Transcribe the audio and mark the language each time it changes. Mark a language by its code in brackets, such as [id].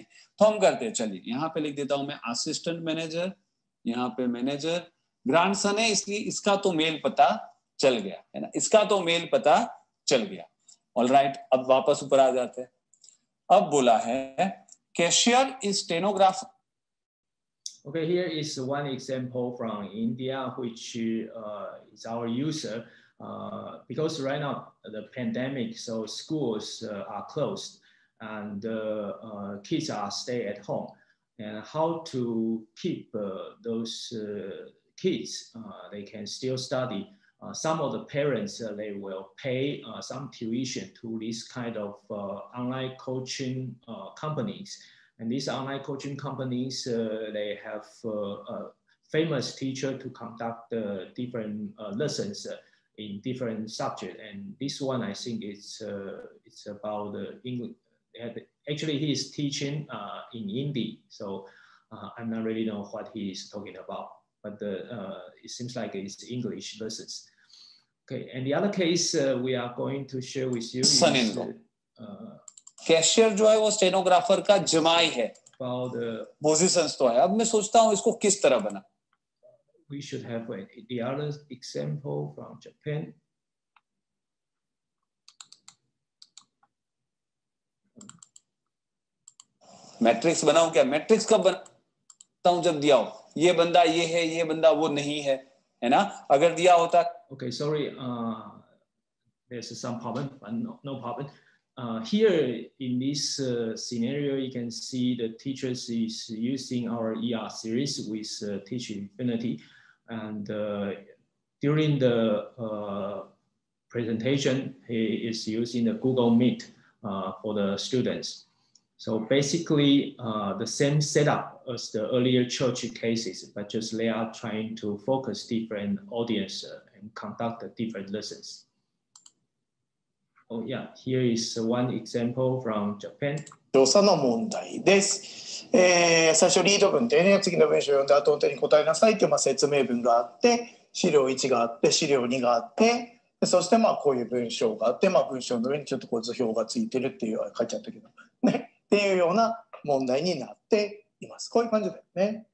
[hi] तो हम करते हैं चलिए यहाँ पे लिख देता हूं मैं असिस्टेंट मैनेजर, यहाँ पे मैनेजर, ग्रैंडसन है इसलिए इसका तो मेल पता चल गया है ना, इसका तो मेल पता चल गया। ऑलराइट, अब वापस ऊपर आ जाते हैं। अब बोला है cashier is stenographer. [en] Okay, here is one example from India, which is our user. Because right now the pandemic, so schools are closed and kids are stay at home. And how to keep those kids, they can still study. Some of the parents, they will pay some tuition to this kind of online coaching companies. And these online coaching companies, they have a famous teacher to conduct the different lessons in different subjects. And this one, I think it's about the English. Actually, he is teaching in Hindi. So I'm not really know what he is talking about, but it seems like it's English lessons. Okay, and the other case we are going to share with you is... [hi] cashier जो है वो stenographer का जमाई है, positions तो है। अब मैं सोचता हूँ इसको किस तरह बना। [en] We should have the other example from Japan. [hi] Matrix बनाऊं क्या, मैट्रिक्स कब बनाता हूं जब दिया हो ये बंदा ये है ये बंदा वो नहीं है, है ना, अगर दिया होता। [en] Okay, sorry, there's some problem, but no problem. Here in this scenario, you can see the teachers is using our ER series with Teach Infinity. And during the presentation, he is using the Google Meet for the students. So basically, the same setup as the earlier church cases, but just they are trying to focus different audience and conduct the different lessons. Oh yeah, here is one example from Japan. [ja] 調査の問題です。最初リード文でね、次の文章を読んで後に答えなさいっていうまあ説明文があって、資料1があって、資料2があって、そしてまあこういう文章があって、まあ文章の上にちょっとこう図表がついてるっていう書いちゃったけどね、っていうような問題になっています。こういう感じだよね。